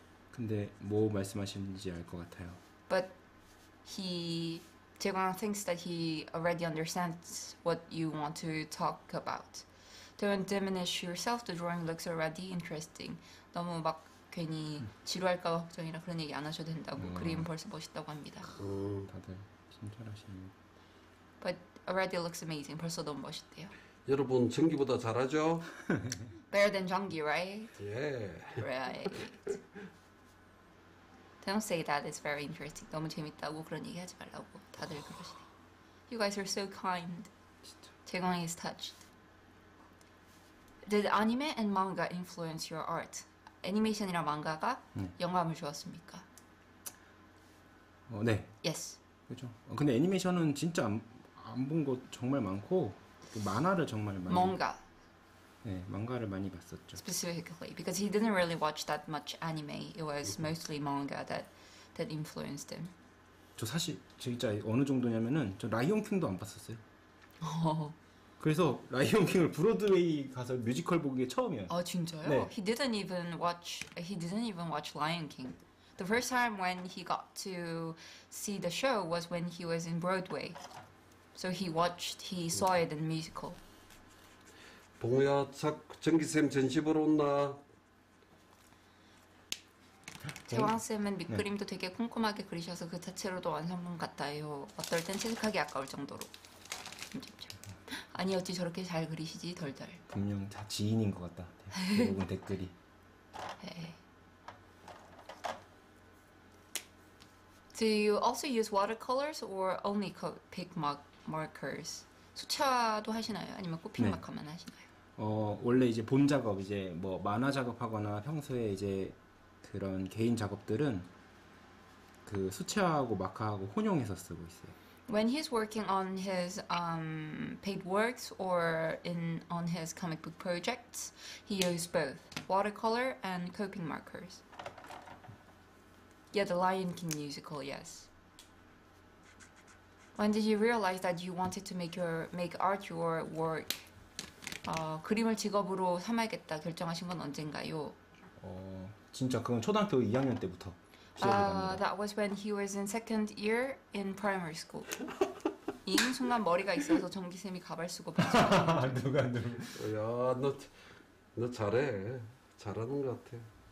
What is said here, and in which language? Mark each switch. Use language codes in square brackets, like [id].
[ko] 근데 뭐 말씀하시는지 알 것 같아요. [en] But he Jaegwon thinks that he already understands what you want to talk about. Don't diminish yourself. The drawing looks already interesting. [ko] 너무 막 괜히 지루할까 봐 걱정이라 그런 얘기 안 하셔도 된다고. 그림 벌써 멋있다고 합니다. 다들 친절하시네요. [en] But already looks amazing. [ko] 벌써 너무 멋있대요. 여러분 전기보다 잘하죠? [en] Better than 전기, right? Yeah. Right. Don't say that. It's very interesting. [ko] 너무 재밌다고 그런 얘기 하지 말라고 다들 그러시네. [en] You guys are so kind. 재광 is touched. Did anime and manga influence your art? [ko] 애니메이션이랑 만화가 영감을 주었습니까? 어, 네. [en] Yes. [ko] 그렇죠. 어, 근데 애니메이션은 진짜 안 본 것 정말 많고 그 만화를 정말 많이. 만화. 네, 만화를 많이 봤었죠. [en] Specifically, because he didn't really watch that much anime. It was mostly manga that influenced him. [ko] 저 사실 진짜 어느 정도냐면은 저 라이온 킹도 안 봤었어요. 그래서 라이온 킹을 브로드웨이 가서 뮤지컬 보기 처음이에요. 아, 진짜요? 네. [en] He didn't even watch Lion King. The first time when he got to see the show was when he was in Broadway. So he saw it in musical. [ko] 봉우야, 전기쌤 전시보러 온다. 재광쌤은 밑그림도 네. 되게 꼼꼼하게 그리셔서 그 자체로도 완성품 같아요. 어떨 땐 채색하기 아까울 정도로. 아니 어찌 저렇게 잘 그리시지 덜덜. 분명 다 지인인 것 같다. 대부분 댓글이. 네. [en] Do you also use watercolors or only Copic markers? [ko] 수채화도 하시나요? 아니면 Copic마카만 네. 하시나요? 어 원래 이제 본 작업 이제 뭐 만화 작업하거나 평소에 이제 그런 개인 작업들은 그 수채화하고 마카하고 혼용해서 쓰고 있어요. [en] When he's working on his paid works or on his comic book projects, he uses both watercolor and Copic markers. Yeah, the Lion King musical, yes. When did you realize that you wanted to make art your work? [ko] 그림을 직업으로 삼아야겠다 결정하신 건 언젠가요? 진짜 그건 초등학교 2학년 때부터. [en] That was when he was in second year in primary school. [ko] 이 순간 머리가 있어서 전기쌤이 가발 쓰고 누가 야, 너 잘해. 잘하는 것 같아.